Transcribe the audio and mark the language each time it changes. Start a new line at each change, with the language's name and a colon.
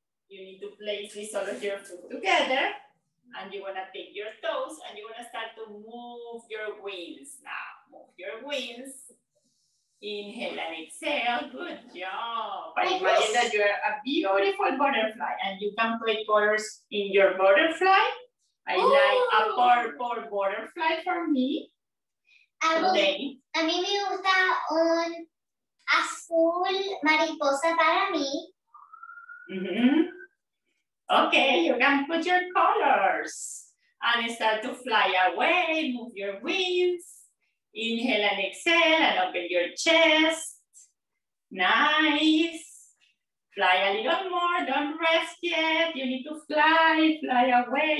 English: You need to place this all of your foot together, and you wanna take your toes, and you wanna start to move your wings now. Move your wings Inhale and exhale. Good job. I imagine that you are a beautiful butterfly and you can play colors in your butterfly. I like a purple butterfly for me.
Spanish: A mí me gusta un azul mariposa para mí.
English: Okay, you can put your colors and start to fly away. Move your wings. Inhale and exhale and open your chest. Nice. Fly a little more. Don't rest yet. You need to fly, fly away.